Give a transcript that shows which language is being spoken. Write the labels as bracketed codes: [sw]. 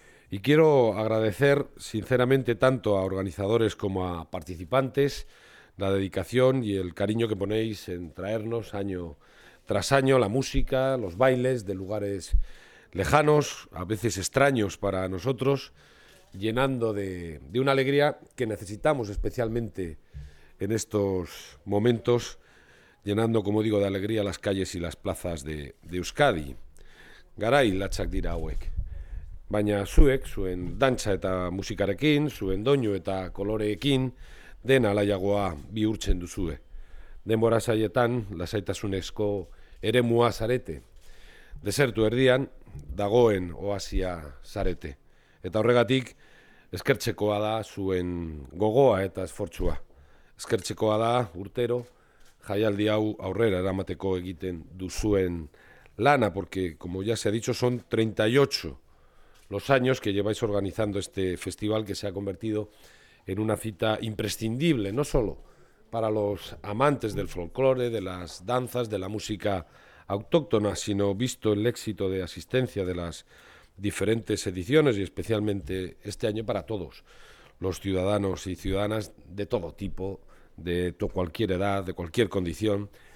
[es] Y quiero agradecer sinceramente tanto a organizadores como a participantes la dedicación y el cariño que ponéis en traernos año tras año la música, los bailes de lugares lejanos, a veces extraños para nosotros, llenando de una alegría que necesitamos especialmente en estos momentos, llenando, como digo, de alegría las calles y las plazas de Euskadi. [eu] Garai latxak dira hauek. Baina zuek, zuen dantza eta musikarekin, zuen doinu eta koloreekin, dena laiagoa bihurtzen duzue. Denbora zaietan, lasaitasunezko eremua zarete. Desertu erdian, dagoen oasia zarete. Eta horregatik, eskertzekoa da zuen gogoa eta esfortzua. Eskertzekoa da urtero, jaialdi hau aurrera eramateko egiten duzuen lana, [es] porque, como ya se ha dicho, son 38 los años que lleváis organizando este festival que se ha convertido en una cita imprescindible, no solo para los amantes del folclore, de las danzas, de la música autóctona, sino visto el éxito de asistencia de las diferentes ediciones y especialmente este año para todos los ciudadanos y ciudadanas de todo tipo, de cualquier edad, de cualquier condición.